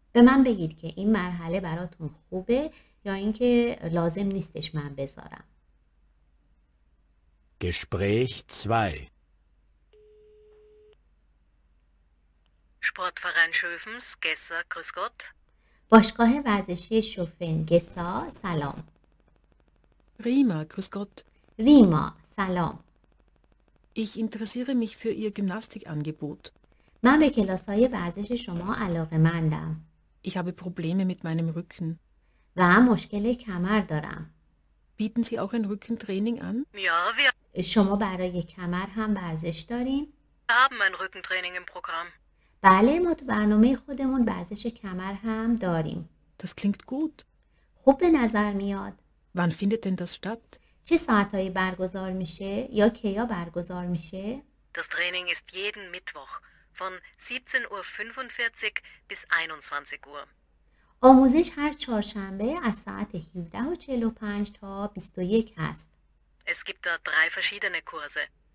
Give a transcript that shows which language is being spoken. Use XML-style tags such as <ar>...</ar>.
<fa>به من بگید که این مرحله براتون خوبه یا اینکه لازم نیستش من بذارم.</fa> <de>Gespräch 2. Sportverein Schöfens, Gesser, grüß Gott.</de> <fa>باشگاه ورزشی شوفن گسا، سلام.</fa> <de>ریما، grüß Gott.</de> <fa>ریما، سلام.</fa> <de>Ich interessiere mich für Ihr Gymnastikangebot.</de> <fa>من به کلاس‌های ورزش شما علاقه‌مندم.</fa> <de>Ich habe Probleme mit meinem Rücken.</de> <fa>و مشکل کمر دارم.</fa> <de>Bieten Sie auch ein Rückentraining an? Ja, wir.</de> <fa>شما برای کمر هم ورزش دارین؟</fa> <de>Wir haben ein Rückentraining im Programm.</de> <fa>بله، ما تو برنامه خودمون ورزش کمر هم داریم.</fa> <de>Das klingt gut.</de> <fa>خوب به نظر میاد.</fa> <de>Wann findet denn das statt?</de> <fa>چه ساعتهایی برگزار میشه یا کیا برگزار میشه؟</fa> <de>Das Training ist jeden Mittwoch von 17.45 Uhr bis 21 Uhr.</de> <fa>آموزش هر چهارشنبه از ساعت 17.45 تا 21 هست.</fa> <de>Es gibt da drei verschiedene Kurse.</de>